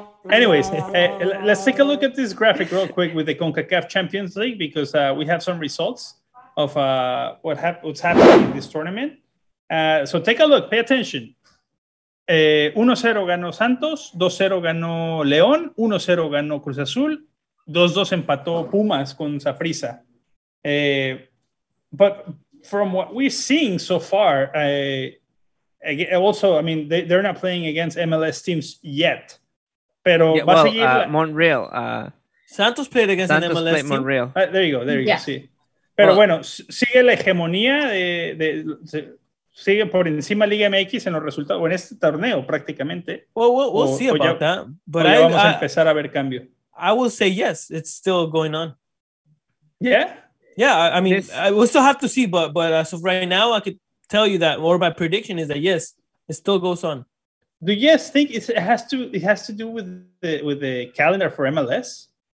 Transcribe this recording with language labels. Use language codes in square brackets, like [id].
[en] Anyways, let's take a look at this graphic real quick with the CONCACAF Champions League because we have some results of what's happening in this tournament. So take a look, pay attention. [es] 1-0 ganó Santos, 2-0 ganó León, 1-0 ganó Cruz Azul, 2-2 empató Pumas con Saprissa. [en] But from what we've seen so far, they're not playing against MLS teams yet. [es] Pero Montreal. [en] Santos played against Santos an MLS team. Montreal. There you go. Yeah. [es] Sí. Pero [en] well, [es] bueno, sigue la hegemonía de sigue por encima Liga MX en los resultados, en este torneo prácticamente. Vamos a empezar a ver cambio. [en] I will say yes, it's still going on. Yeah? Yeah, I mean, we'll still have to see, but as of right now, I could tell you that, or my prediction is that yes, it still goes on. Do you guys think it has to do with the calendar for MLS?